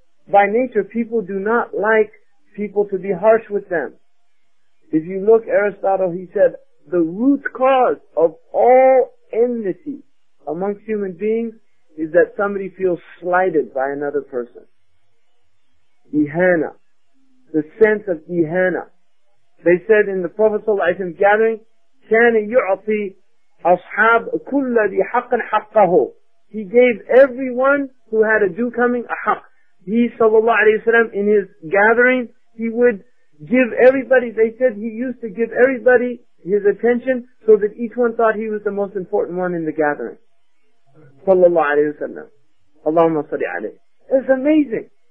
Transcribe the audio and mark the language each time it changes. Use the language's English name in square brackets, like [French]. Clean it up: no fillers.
[English] By nature, people do not like people to be harsh with them. If you look, Aristotle, he said, the root cause of all enmity amongst human beings is that somebody feels slighted by another person. Ihana. The sense of ihana. They said in the Prophet ﷺ gathering, [Arabic] كَانَ يُعْطِي أَصْحَابَ كُلَّ ذِي حَقٍ حَقَّهُ. [English] He gave everyone who had a due coming a haq. He, sallallahu alayhi wa sallam, in his gathering, he would give everybody, they said he used to give everybody his attention so that each one thought he was the most important one in the gathering. [Arabic] Sallallahu alayhi wa sallam. Allahumma salli alayhi. [English] It's amazing.